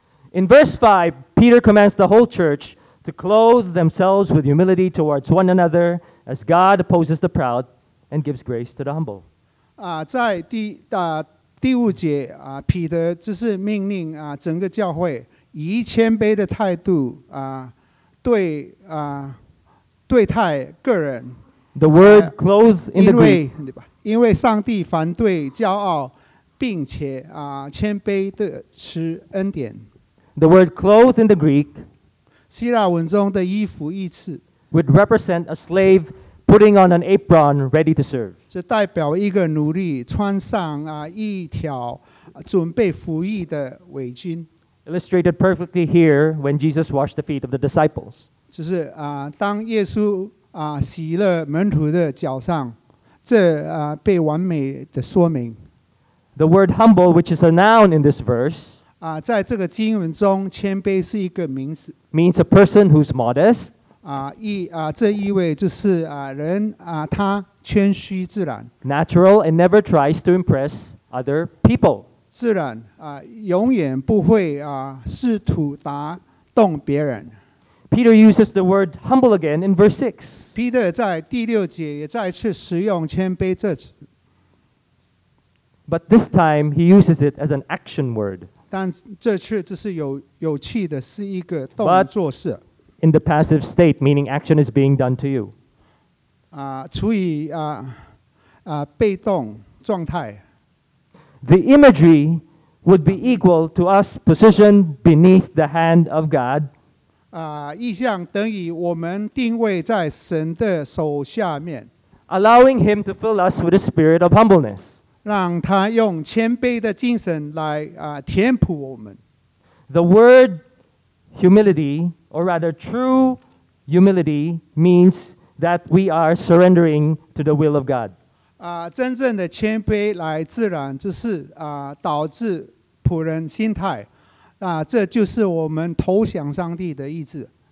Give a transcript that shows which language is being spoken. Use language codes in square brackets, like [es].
[en] In verse 5, Peter commands the whole church to clothe themselves with humility towards one another as God opposes the proud,and gives grace to the humble. [zh] 在第五节彼得就是命令整个教会以谦卑的态度对待个人。 [en] The word clothe in the Greek. [zh] 因为上帝反对骄傲并且谦卑的吃恩典。 [en] The word clothe in the Greek. [zh] 希腊文中的衣服意思 [en] would represent a slave. Putting on an apron ready to serve. [zh] 这代表一个奴隶穿上一条准备服役的围巾。 [en] Illustrated perfectly here when Jesus washed the feet of the disciples. [zh] 就是当耶稣洗了门徒的脚上，这被完美的说明。 [en] The word humble, which is a noun in this verse, [zh] 在这个经文中，谦卑是一个名词。 [en] Means a person who's modest. [zh] 这意味就是人他谦虚自然 [en] natural and never tries to impress other people [zh] 自然永远不会试图打动别人。 [en] Peter uses the word humble again in verse 6. [zh] Peter 在第六节也再次使用谦卑这词。 [en] But this time he uses it as an action word. [zh] 但这次就是有趣的是一个动作式。 [en] In the passive state, meaning action is being done to you. [zh] 处于被动状态。 [en] The imagery would be equal to us positioned beneath the hand of God. [zh] 意象等于我们定位在神的手下面。 [en] Allowing him to fill us with a spirit of humbleness. [zh] 让他用谦卑的精神来填补我们。 [en] The word humility,or rather, true humility means that we are surrendering to the will of God. [zh] 真正的谦卑来自然就是导致仆人心态，这就是我们投降上帝的意志。